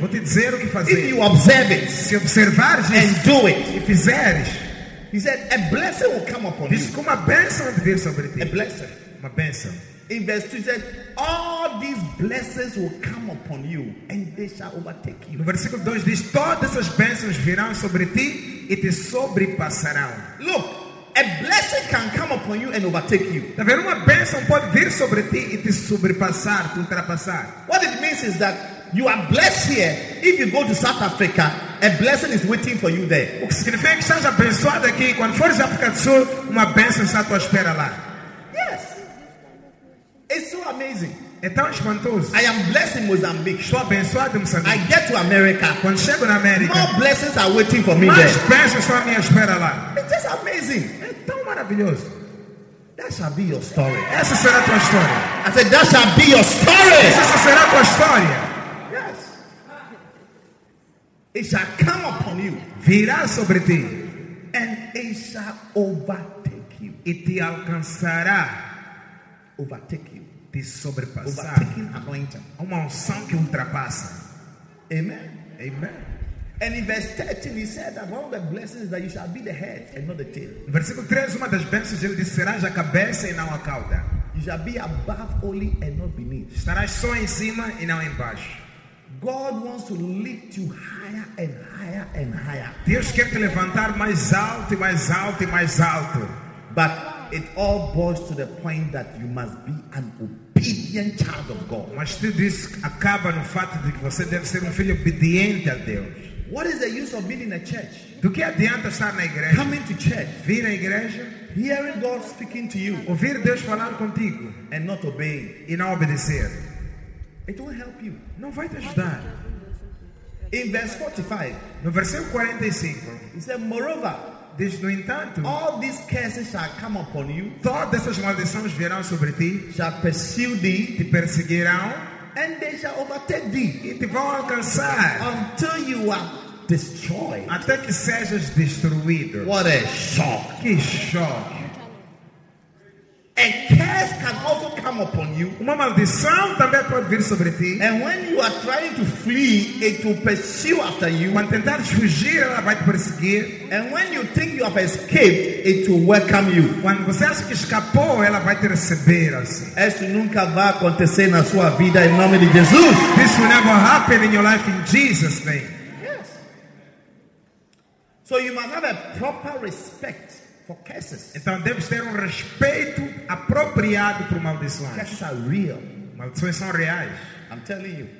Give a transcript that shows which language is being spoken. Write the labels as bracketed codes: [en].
[pt] vou te dizer o que fazer. [en] If you observe it, [pt] se observares, [en] and do it, [pt] e fizeres. [en] He said, a blessing will come upon [pt] diz, [en] you. [pt] Uma bênção de vir sobre ti. [en] A blessing. [pt] Uma bênção. [en] In verse 2, he said, all these blessings will come upon you and they shall overtake you. [pt] No versículo 2 diz, todas as bênçãos virão sobre ti e te sobrepassarão. [en] Look, a blessing can come upon you and overtake you. [pt] Tá vendo? Uma bênção pode vir sobre ti e te sobrepassar, te ultrapassar. [en] What it means is that you are blessed here. If you go to South Africa, a blessing is waiting for you there. [pt] O que significa que estás abençoado aqui? Quando fores à África do Sul, uma bênção está à tua espera lá. [en] Yes. It's so amazing. [pt] É tão espantoso. [en] I am blessed in Mozambique. [pt] Estou abençoado em Moçambique. [en] I get to America. [pt] Quando chego na América, [en] more blessings are waiting for me [pt] mais [en] there. [pt] Mais bênçãos estão à minha espera lá. [en] It's just amazing. [pt] É tão maravilhoso. [en] That shall be your story. [pt] Essa será a tua história. [en] I said, that shall be your story. [pt] Essa será a tua história. [en] It shall come upon you. [pt] Virá sobre ti. [en] And it shall overtake you. [pt] E te alcançará. [en] Overtake you. [pt] Te sobrepassar. [en] Overtaking anointing. [pt] Uma unção que ultrapassa. Amen. Amen. [en] And in verse 13, he said that one of the blessings is that you shall be the head and not the tail. [pt] Versículo 3, uma das bênçãos, ele disse, serás a cabeça e não a cauda. [en] You shall be above only and not beneath. [pt] Estarás só em cima e não embaixo. [en] God wants to lift you higher and higher and higher. [pt] Deus quer te levantar mais alto e mais alto e mais alto. [en] But it all boils to the point that you must be an obedient child of God. [pt] Mas tudo isso acaba no fato de que você deve ser filho obediente a Deus. [en] What is the use of being in a church? [pt] Do que adianta estar na igreja? [en] Coming to church. [pt] Vir à igreja. [en] Hearing God speaking to you. [pt] Ouvir Deus falar contigo. [en] And not obeying. [pt] E não obedecer. [en] It won't help you. [pt] Não vai te ajudar. [en] In verse 45. [pt] No versículo 45. [en] He said, moreover, [pt] diz, no entanto, [en] all these curses shall come upon you. [pt] Todas essas maldições virão sobre ti. [en] Shall pursue thee. [pt] Te perseguirão. [en] And they shall overtake thee. [pt] E te vão alcançar. [en] Until you are destroyed. [pt] Até que sejas destruído. [en] What a shock. [pt] Que shock. [en] A curse can also come upon you. [pt] Uma maldição também pode vir sobre ti. [en] And when you are trying to flee, it will pursue after you. [pt] Quando tentares fugir, ela vai te perseguir. [en] And when you think you have escaped, it will welcome you. [pt] Quando você acha que escapou, ela vai te receber assim. Isso nunca vai acontecer na sua vida em nome de Jesus. [en] This will never happen in your life in Jesus' name. Yes. So you must have a proper respect. For curses. [pt] Então deves ter respeito apropriado para maldições. [en] Curses are real. [pt] Maldições são reais. [en] I'm telling you.